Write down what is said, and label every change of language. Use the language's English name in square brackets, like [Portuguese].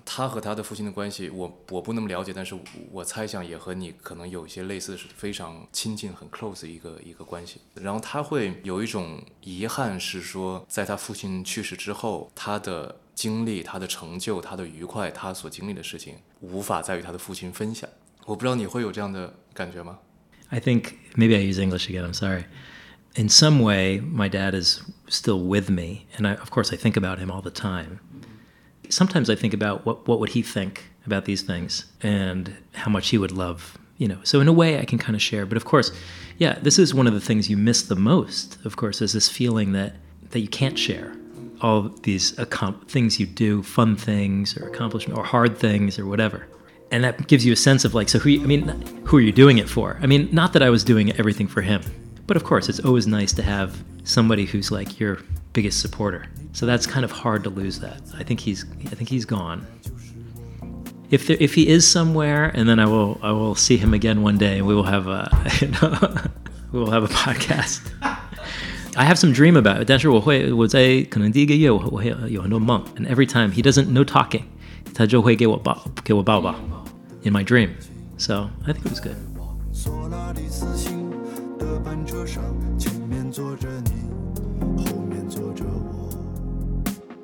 [Chinese] 他和他的父亲的关系，我不那么了解，但是我猜想也和你可能有一些类似，是非常亲近、很 close 一个关系。然后他会有一种遗憾，是说在他父亲去世之后，他的经历、他的成就、他的愉快、他所经历的事情，无法再与他的父亲分享。我不知道你会有这样的感觉吗？ [English] I think, maybe I use English again, I'm sorry. In some way, my dad is still with me, and I, of course I think about him all the time. Sometimes I think about what would he think about these things, and how much he would love, you know. So in a way I can kind of share, but of course, yeah, this is one of the things you miss the most, of course, is this feeling that you can't share all these things you do, fun things, or accomplishments, or hard things, or whatever. And that gives you a sense of like, so who are you doing it for? I mean, not that I was doing everything for him. But of course, it's always nice to have somebody who's like your biggest supporter. So that's kind of hard to lose that. I think he's gone. If he is somewhere, and then I will see him again one day, and we will have a podcast. I have some dream about it. [Chinese] 但是我会，我在可能第一个月，我会有很多梦。 [English] And every time, no talking. [Chinese] 他就会给我抱抱 [English] in my dream. So I think it was good. [Chinese] 索拉里斯星的班车上，前面坐着你，后面坐着我。